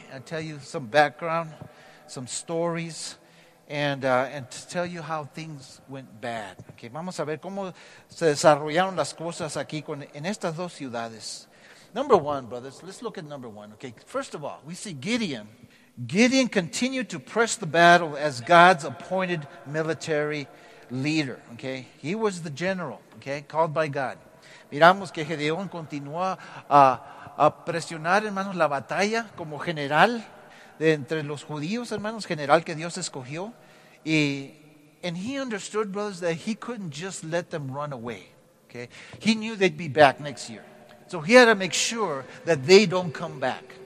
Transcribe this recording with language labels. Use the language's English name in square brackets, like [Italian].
[English] And tell you some background, some stories, and to tell you how things went bad. [Spanish] Okay, vamos a ver cómo se desarrollaron las cosas aquí en estas dos ciudades. [English] Number one, brothers, let's look at number one, okay? First of all, we see Gideon continued to press the battle as God's appointed military leader, okay? He was the general, okay, called by God. [Spanish] Miramos que Gedeón continuó a presionar, hermanos, la batalla como general de entre los judíos, hermanos, general que Dios escogió. [English] And he understood, brothers, that he couldn't just let them run away, okay? He knew they'd be back next year. So he had to make sure that they don't come back.